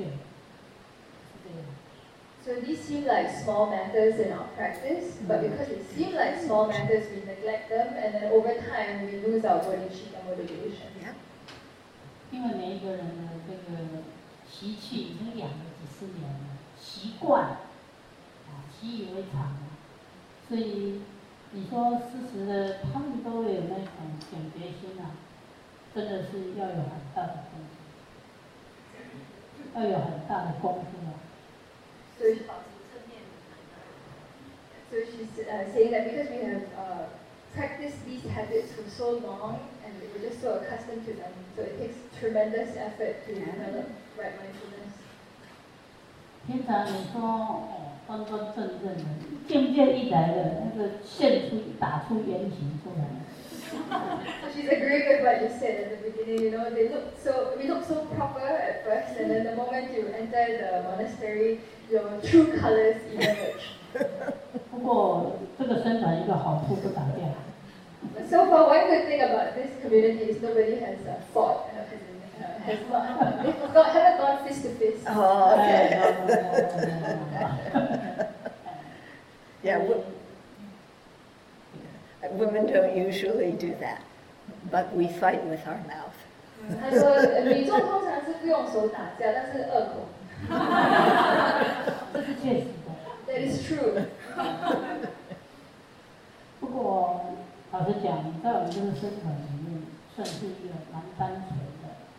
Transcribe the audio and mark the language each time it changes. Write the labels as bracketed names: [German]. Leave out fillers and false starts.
[Chinese] 看起来其实这些问题如果在修法上应该算是琐碎的，但是因为我们就是在这个琐碎的当下略掉了，所以我们会变成不在意，那无形中这个菩提心就会失去。是这样。 [English] So these seem like small matters in our practice, but because it seems like small matters, we neglect them, and then over time we lose our bodhicitta motivation. Yeah. [Chinese] 因为每一个人的这个习气已经养了几十年了，习惯了，习以为常了。所以你说事实的，他们都有那种警觉心啊，真的是要有很大的功夫，要有很大的功夫啊。所以保持正面。 [English] So she's saying that because we have practiced these habits for so long, and we're just so accustomed to them, so it takes tremendous effort to develop right mindfulness. [Chinese] 平常你说端端正正的，境界一来了，那个现出打出原形出来了。 [English] She's agreeing with what you said at the beginning. You know, they look so, we look so proper at first, and then the moment you enter the monastery, your true colors emerge. [Chinese] 不过这个生产一个好处不打掉。 [English] So far, one good thing about this community is nobody has fought. haven't gone fist to fist. Oh, okay. Yeah, women don't usually do that, but we fight with our mouth. [Chinese] 他说，女众通常是不用手打架，但是恶口。这是确实的。 [English] That is true. [Chinese] 不过，老实讲，在我们这个生活里面，算是一个蛮单纯的。